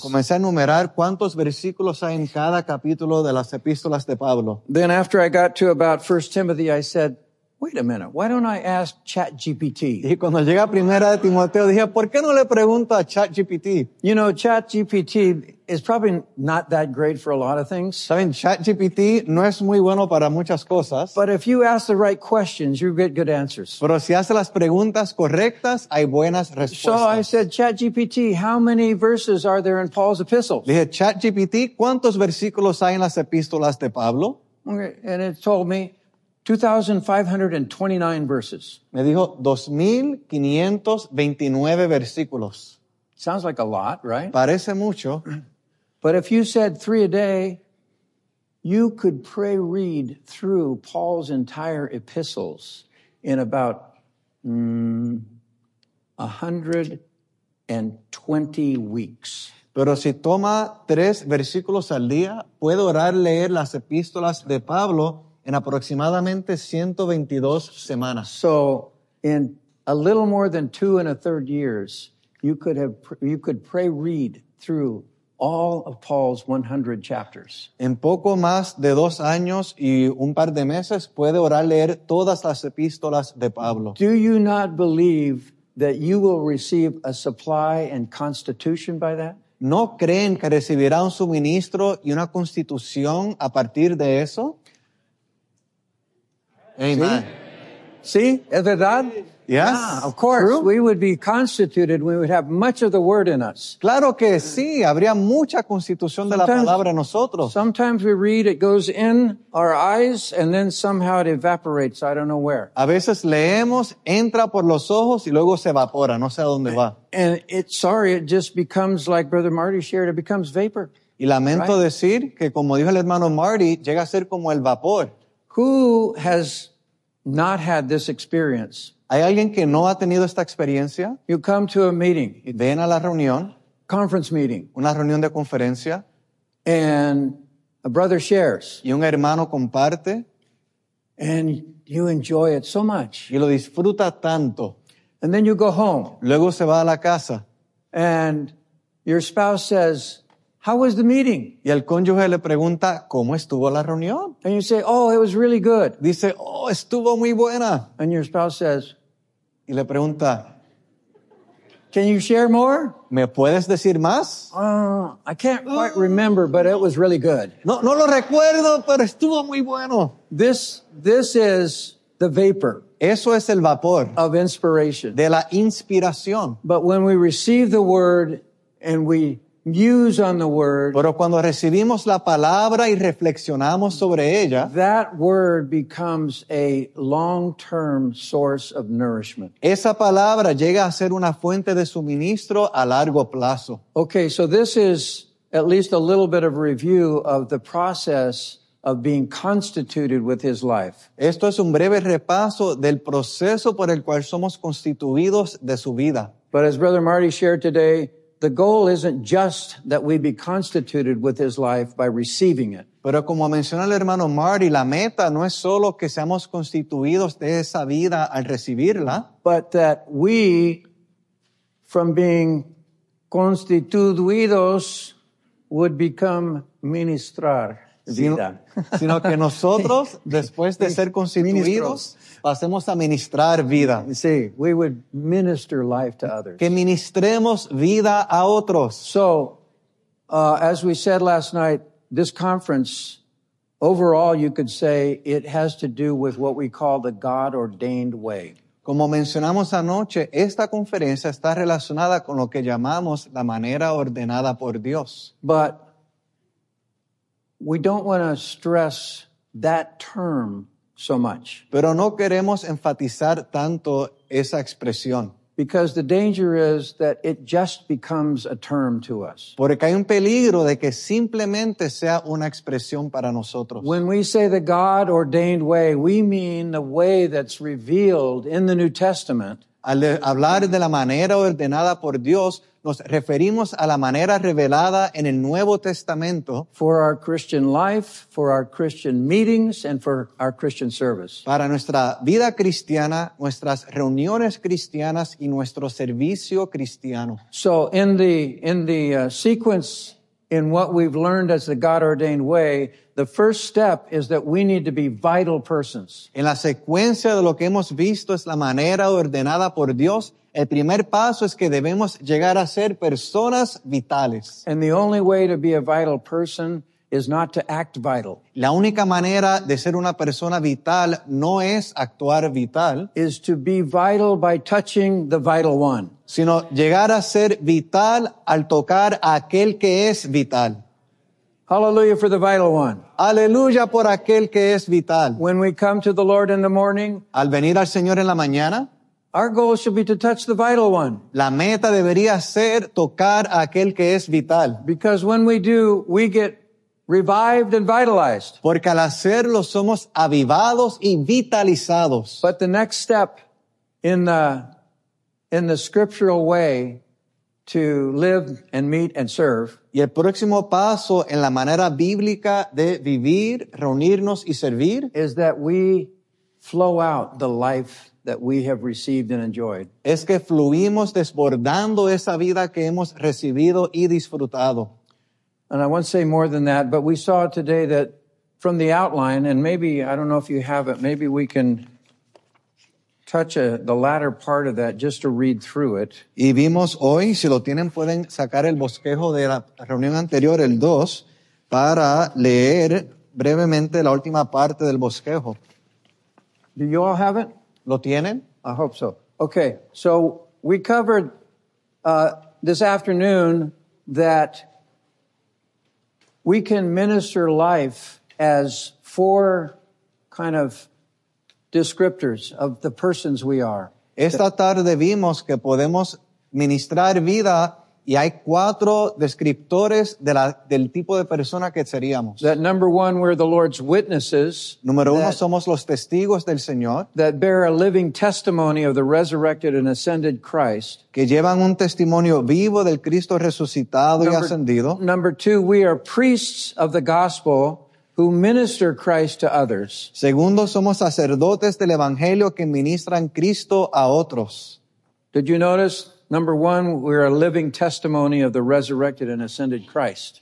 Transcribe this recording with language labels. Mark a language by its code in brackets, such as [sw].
[es] Comencé a enumerar cuántos versículos hay en cada capítulo de las epístolas de Pablo. [en] Then after I got to about 1 Timothy, I said, Wait a minute, why don't I ask ChatGPT? [es] Y cuando llega primera de Timoteo, dije, ¿por qué no le pregunto a ChatGPT? [en] You know, ChatGPT is probably not that great for a lot of things. [es] Saben, ChatGPT no es muy bueno para muchas cosas. [en] But if you ask the right questions, you get good answers. [es] Pero si hace las preguntas correctas, hay buenas respuestas. [en] So I said, ChatGPT, how many verses are there in Paul's epistles? [es] Dije, ChatGPT, ¿cuántos versículos hay en las epístolas de Pablo? [en] Okay, and it told me, 2,529 verses. [es] Me dijo 2,529 versículos. [en] Sounds like a lot, right? [es] Parece mucho. [en] But if you said three a day, you could pray read through Paul's entire epistles in about 120 weeks. [es] Pero si toma tres versículos al día, puedo orar leer las epístolas de Pablo en aproximadamente 122 semanas. [en] So, in a little more than 2 1/3 years, you could pray read through all of Paul's 100 chapters. [es] En poco más de 2 años y un par de meses, puede orar leer todas las epístolas de Pablo. [en] Do you not believe that you will receive a supply and constitution by that? [es] ¿No creen que recibirá un suministro y una constitución a partir de eso? [en] Amen. See? [es] ¿Sí? ¿Es verdad? [en] Yes. Ah, of course. True. We would be constituted. We would have much of the word in us. [es] Claro que sí. Habría mucha constitución de la palabra en nosotros. [en] Sometimes we read, it goes in our eyes, and then somehow it evaporates. I don't know where. [es] A veces leemos, entra por los ojos, y luego se evapora. No sé a dónde va. [en] And it just becomes, like Brother Marty shared, it becomes vapor. [es] Y lamento [en] right? [es] decir que, como dijo el hermano Marty, llega a ser como el vapor. [en] Who has not had this experience? [es] ¿Hay alguien que no ha tenido esta experiencia? [en] You come to a meeting. [es] Ven a la reunión. [en] Conference meeting. [es] Una reunión de conferencia. [en] And a brother shares. [es] Y un hermano comparte. [en] And you enjoy it so much. [es] Y lo disfruta tanto. [en] And then you go home. [es] Luego se va a la casa. [en] And your spouse says, how was the meeting? [es] Y el cónyuge le pregunta, ¿cómo estuvo la reunión? [en] And you say, oh, it was really good. [es] Dice, oh, estuvo muy buena. [en] And your spouse says, [es] y le pregunta, [en] can you share more? [es] ¿Me puedes decir más? [en] I can't quite remember, but it was really good. [es] No lo recuerdo, pero estuvo muy bueno. [en] This is the vapor. [es] Eso es el vapor. [en] Of inspiration. [es] De la inspiración. [en] But when we receive the word and we muse on the word. [es] Pero cuando recibimos la palabra y reflexionamos sobre ella, [en] that word becomes a long-term source of nourishment. [es] Esa palabra llega a ser una fuente de suministro a largo plazo. [en] Okay, so this is at least a little bit of review of the process of being constituted with his life. [es] Esto es un breve repaso del proceso por el cual somos constituidos de su vida. [en] But as Brother Marty shared today, the goal isn't just that we be constituted with his life by receiving it. [es] Pero como mencionó el hermano Marty, la meta no es solo que seamos constituidos de esa vida al recibirla, [en] but that we, from being [es] constituidos, [en] would become [es] ministrar vida. Sino que nosotros, después de ser constituidos, ministros. Pasemos a ministrar vida. [en] Sí, we would minister life to others. [es] Que ministremos vida a otros. [en] So, as we said last night, this conference, overall, you could say, it has to do with what we call the God-ordained way. [es] Como mencionamos anoche, esta conferencia está relacionada con lo que llamamos la manera ordenada por Dios. [en] But we don't want to stress that term so much. [es] Pero no queremos enfatizar tanto esa expresión. [en] Because the danger is that it just becomes a term to us. [es] Porque hay un peligro de que simplemente sea una expresión para nosotros. [en] When we say the God-ordained way, we mean the way that's revealed in the New Testament. [es] Al hablar de la manera ordenada por Dios, nos referimos a la manera revelada en el Nuevo Testamento. [en] For our Christian life, for our Christian meetings, and for our Christian service. [es] Para nuestra vida cristiana, nuestras reuniones cristianas y nuestro servicio cristiano. [en] So in the sequence in what we've learned as the God-ordained way, the first step is that we need to be vital persons. [es] En la secuencia de lo que hemos visto es la manera ordenada por Dios. El primer paso es que debemos llegar a ser personas vitales. [en] And the only way to be a vital person is not to act vital. [es] La única manera de ser una persona vital no es actuar vital. [en] Is to be vital by touching the vital one. [es] Sino llegar a ser vital al tocar a aquel que es vital. [en] Hallelujah for the vital one. [es] Aleluya por aquel que es vital. [en] When we come to the Lord in the morning, [es] al venir al Señor en la mañana, [en] our goal should be to touch the vital one. [es] La meta debería ser tocar a aquel que es vital. [en] Because when we do, we get revived and vitalized. [es] Porque al hacerlo somos avivados y vitalizados. [en] But the next step in the scriptural way to live and meet and serve. [es] Y el próximo paso en la manera bíblica de vivir, reunirnos y servir [en] is that we flow out the life that we have received and enjoyed. [es] Es que fluimos desbordando esa vida que hemos recibido y disfrutado. [en] And I won't say more than that, but we saw today that from the outline, and maybe, I don't know if you have it, maybe we can touch the latter part of that just to read through it. [es] Y vimos hoy, si lo tienen, pueden sacar el bosquejo de la reunión anterior, el 2, para leer brevemente la última parte del bosquejo. [en] Do you all have it? [es] ¿Lo tienen? [en] I hope so. Okay, so we covered this afternoon that we can minister life as four kind of descriptors of the persons we are. [es] Esta tarde vimos que podemos ministrar vida y hay cuatro descriptores del tipo de persona que seríamos. [en] That number one, we're the Lord's witnesses. [es] Número uno, somos los testigos del Señor. [en] That bear a living testimony of the resurrected and ascended Christ. [es] Que llevan un testimonio vivo del Cristo resucitado y ascendido. [en] Number two, we are priests of the gospel who minister Christ to others. [es] Segundo, somos sacerdotes del evangelio que ministran Cristo a otros. [en] Did you notice? Number one, we're a living testimony of the resurrected and ascended Christ.